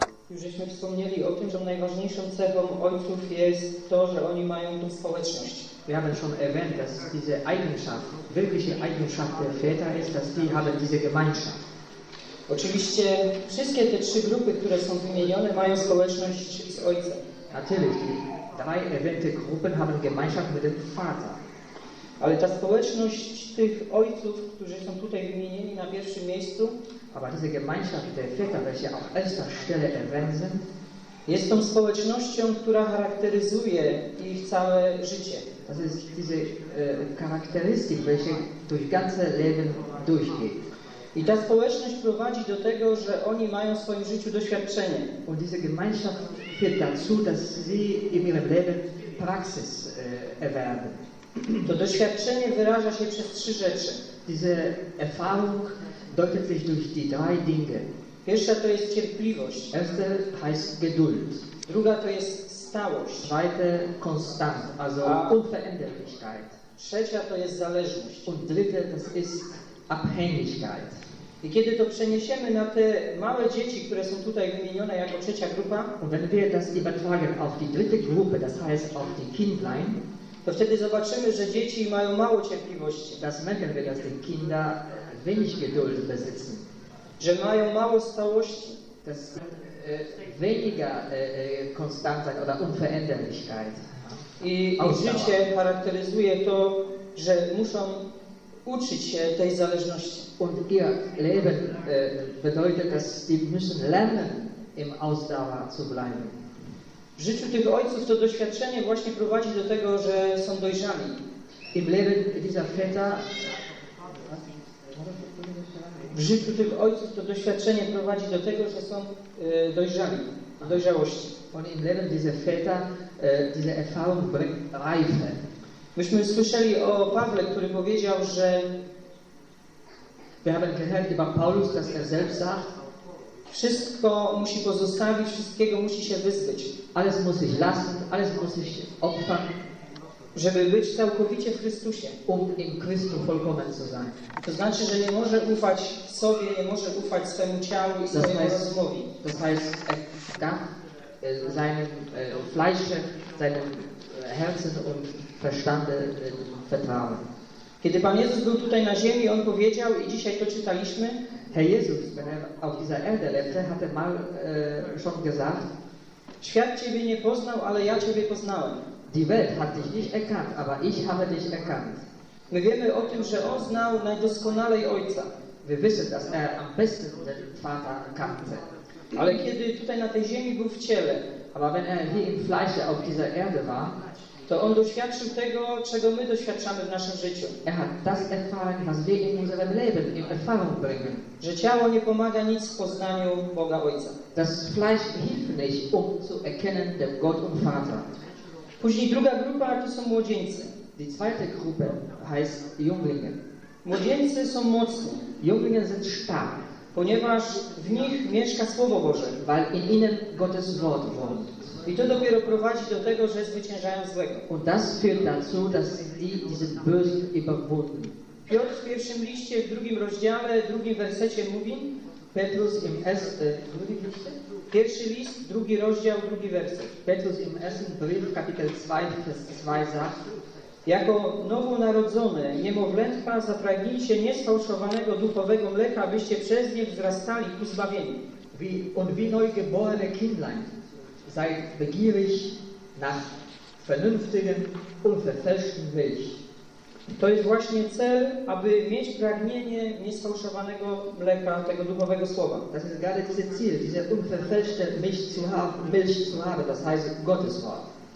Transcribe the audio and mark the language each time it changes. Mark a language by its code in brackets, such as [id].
[pl] Już żeśmy wspomnieli o tym, że najważniejszą cechą ojców jest to, że oni mają tą społeczność. [de] Wir haben schon erwähnt, dass diese Eigenschaft, wirkliche Eigenschaft der Väter ist, dass die haben diese Gemeinschaft. [pl] Oczywiście wszystkie te trzy grupy, które są wymienione, mają społeczność z ojcem. [de] Natürlich, die drei erwähnte Gruppen haben Gemeinschaft mit dem Vater. [pl] Ale ta społeczność tych ojców, którzy są tutaj wymienieni na pierwszym miejscu, [de] aber diese Gemeinschaft der Väter, welche auf erster Stelle erwähnt sind, [pl] jest tą społecznością, która charakteryzuje ich całe życie. [de] Das ist diese Charakteristik, welche durch ganze Leben durchgeht. [pl] I ta społeczność prowadzi do tego, że oni mają w swoim życiu doświadczenie. [de] Und diese Gemeinschaft führt dazu, dass sie in ihrem Leben Praxis erwerben. [pl] To doświadczenie wyraża się przez trzy rzeczy. [de] Diese Erfahrung deutet sich durch die drei Dinge. [pl] Pierwsza to jest cierpliwość. [de] Erste heißt Geduld. [pl] Druga to jest stałość. [de] Zweite Konstant, also Unveränderlichkeit. [pl] Trzecia to jest zależność. [de] Und dritte, das ist Abhängigkeit. [pl] I kiedy to przeniesiemy na te małe dzieci, które są tutaj wymienione jako trzecia grupa, [de] und wenn wir das übertragen auf die dritte Gruppe, das heißt auf die Kindlein, [pl] to wtedy zobaczymy, że dzieci mają mało cierpliwości. [de] Das merken wir, dass die Kinder wenig Geduld besitzen. [pl] Że mają mało stałości. [de] Das weniger Konstantheit oder Unveränderlichkeit. [pl] I życie charakteryzuje to, że muszą uczyć się tej zależności. [de] Und ihr Leben bedeutet, dass sie müssen lernen, im Ausdauer zu bleiben. [pl] W życiu tych ojców to doświadczenie właśnie prowadzi do tego, że są dojrzani. [de] Im Leben dieser Väter. [pl] W życiu tych ojców to doświadczenie prowadzi do tego, że są dojrzani, dojrzałości. [de] Und im Leben dieser Väter, diese Erfahrung bringt Reife. [pl] Myśmy słyszeli o Pawle, który powiedział, że [de] wir haben gehört über Paulus, dass er selbst sagt, [pl] wszystko musi pozostawić, wszystkiego musi się wyzbyć. [de] Alles muss ich lassen, alles muss ich opfern, [pl] żeby być całkowicie w Chrystusie. [de] Um im Christus vollkommen zu sein. [pl] To znaczy, że nie może ufać sobie, nie może ufać swemu ciału i swojemu rozumowi. [de] Das heißt, er darf seinem Fleische, seinem Herzen und Verstande vertrauen. [pl] Kiedy Pan Jezus był tutaj na ziemi, on powiedział, i dzisiaj to czytaliśmy, [de] Herr Jezus, wenn er auf dieser Erde lebte, hatte mal schon gesagt, [pl] świat Ciebie nie poznał, ale ja Ciebie poznałem. [de] Die Welt hat dich nicht erkannt, aber ich habe dich erkannt. [pl] My wiemy o tym, że on znał najdoskonalej Ojca. [de] Wir wissen, dass er am besten den Vater kannte. [pl] Ale kiedy tutaj na tej ziemi był w ciele, [de] aber wenn er hier im Fleisch auf dieser Erde war, [pl] to on doświadczył tego, czego my doświadczamy w naszym życiu. [de] Er hat das erfahren, was wir in unserem Leben in Erfahrung bringen. [pl] Że ciało nie pomaga nic w poznaniu Boga Ojca. [de] Das Fleisch hilft nicht, um zu erkennen den Gott und Vater. [pl] Później druga grupa to są młodzieńcy. [de] Die zweite Gruppe heißt Jünglinge. [pl] Młodzieńcy są mocni. [de] Jünglinge sind stark. [pl] Ponieważ w nich mieszka Słowo Boże. [de] Weil in ihnen Gottes Wort wohnt. [pl] I to dopiero prowadzi do tego, że zwyciężają złego. [de] Und das führt dazu, dass sie diesen Bösen überwunden. [pl] Piotr w pierwszym liście, w drugim rozdziale, w drugim wersecie mówi, [de] Petrus im ersten Brief, [pl] pierwszy list, drugi rozdział, drugi werset. [de] Petrus im ersten Brief, Kapitel 2, Vers 2 sagt, [pl] Jako nowonarodzone niemowlętka zapragnijcie niesfałszowanego duchowego mleka, abyście przez nie wzrastali ku zbawieniu. [de] Und wie neugeborene Kindlein seid begierig nach vernünftigem, unverfälschtem Milch. [pl] To jest właśnie cel, aby mieć pragnienie niesfałszowanego mleka, tego duchowego słowa. [de] Das ist gerade dieses Ziel, diese unverfälschte Milch zu haben, das heißt Gottes Wort.